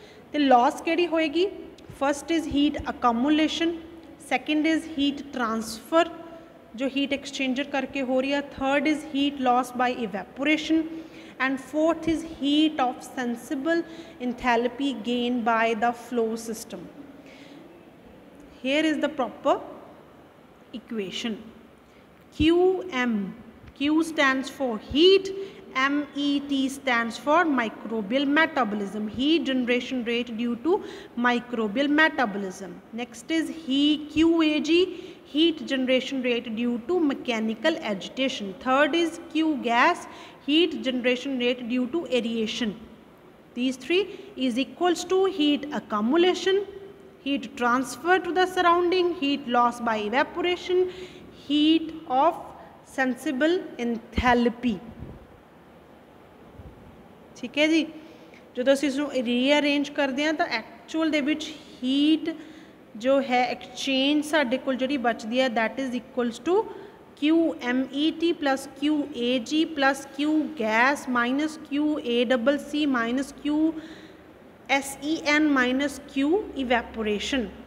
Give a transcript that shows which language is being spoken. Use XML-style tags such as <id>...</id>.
<pa>ਅਤੇ ਲੋਸ ਕਿਹੜੀ ਹੋਏਗੀ?</pa> <en>first is heat accumulation, second is heat transfer</en> <pa>ਜੋ ਹੀਟ ਐਕਸਚੇਂਜਰ ਕਰਕੇ ਹੋ ਰਹੀ ਆ,</pa> <en>Third is heat loss by evaporation, and fourth is heat of sensible enthalpy gain by the flow system. Here is the proper equation, QM, Q stands for heat, MET stands for microbial metabolism, heat generation rate due to microbial metabolism. Next is QAG, heat generation rate due to mechanical agitation. Third is Q gas, heat generation rate due to aeration. These three is equals to heat accumulation, heat transfer to the surrounding, heat loss by evaporation, heat of sensible enthalpy.</en> <pa>ਠੀਕ ਹੈ ਜੀ, ਜਦੋਂ ਅਸੀਂ ਇਸਨੂੰ ਰੀਅਰੇਂਜ ਕਰਦੇ ਹਾਂ ਤਾਂ actual ਦੇ ਵਿੱਚ ਹੀਟ ਜੋ ਹੈ ਐਕਸਚੇਂਜ ਸਾਡੇ ਕੋਲ ਜਿਹੜੀ ਬਚਦੀ ਹੈ,</pa> <en>that is equals to</en> <pa>QMET plus QAG plus Q gas minus QACC minus QSEN minus Q evaporation.</pa>